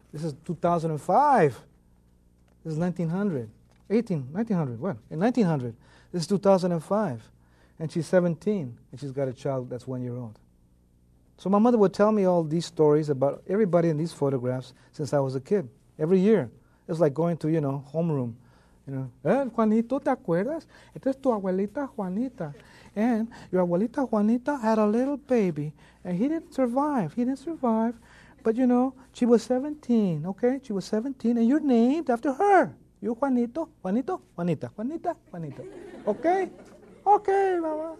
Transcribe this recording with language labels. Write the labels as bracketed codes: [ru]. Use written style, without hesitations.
[en] This is 2005. This is 1900. This is 2005. And she's 17, and she's got a child that's 1 year old. So my mother would tell me all these stories about everybody in these photographs since I was a kid. Every year. It was like going to, you know, homeroom. You know, [es] Juanito, ¿te acuerdas? Esta es tu abuelita Juanita. [en] And your abuelita Juanita had a little baby, and he didn't survive. He didn't survive. But, you know, she was 17, okay? She was 17, and you're named after her. You're Juanito, Juanito, Juanita, Juanita, Juanita. Okay? Okay, mama.